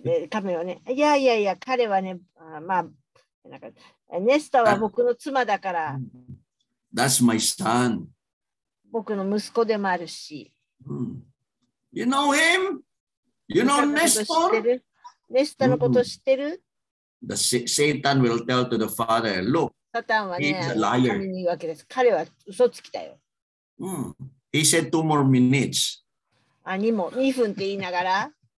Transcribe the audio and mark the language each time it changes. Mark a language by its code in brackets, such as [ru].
[ja] 神はね、いやいやいや、彼はね、まあ、なんかネスターは僕の妻だから。 [en] That's my son. [ja] 僕の息子でもあるし。 [en] You know him? You know Nestor? [ja] ネスターのこと知ってる？ [en] Satan will tell to the father, look, he's a liar. [ja] 神に言うわけです。彼は嘘つきだよ。 [en] He said two more minutes. [ja] あ、にも2分って言いながら。